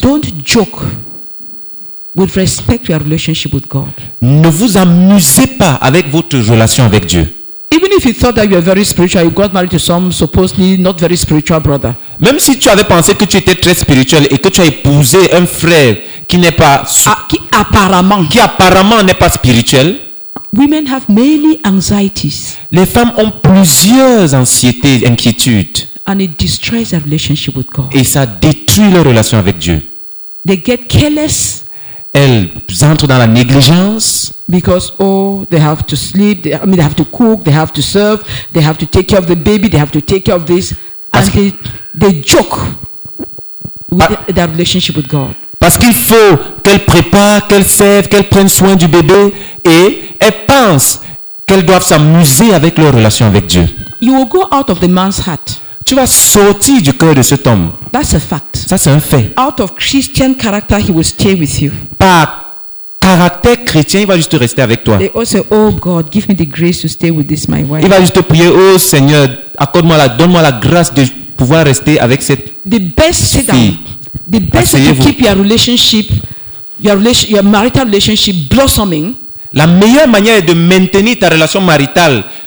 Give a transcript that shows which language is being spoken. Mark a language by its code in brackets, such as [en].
[en] Don't joke with respect to your relationship with God. [fr] Ne vous amusez pas avec votre relation avec Dieu. [en] Even if you thought that you are very spiritual, you got married to some supposedly not very spiritual brother. [fr] Même si tu avais pensé que tu étais très spirituel et que tu as épousé un frère qui n'est pas qui apparemment n'est pas spirituel. [en] Women have many anxieties. [fr] Les femmes ont plusieurs anxiétés, inquiétudes. [en] And it destroys their relationship with God. [fr] Et ça détruit leur relation avec Dieu. [en] They get careless. [fr] Elles entrent dans la négligence. [en] Because they have to sleep. They have to cook. They have to serve. They have to take care of the baby. They have to take care of this. And they joke with their relationship with God. [fr] Parce qu'il faut qu'elles préparent, qu'elles servent, qu'elles prennent soin du bébé et elles pensent qu'elles doivent s'amuser avec leur relation avec Dieu. [en] You will go out of the man's heart. [fr] Tu vas sortir du cœur de cet homme. [en] That's a fact. [fr] Ça, c'est un fait. [en] Out of Christian character, he will stay with you. [fr] Par caractère chrétien, il va juste rester avec toi. [en] They also say, oh God, give me the grace to stay with this, my wife. [fr] Il va juste prier, oh Seigneur, donne-moi la grâce de pouvoir rester avec cette [en] the best [fr] fille. [en] The best way to keep your relationship, your marital relationship blossoming. [fr] La meilleure manière de maintenir ta relation maritale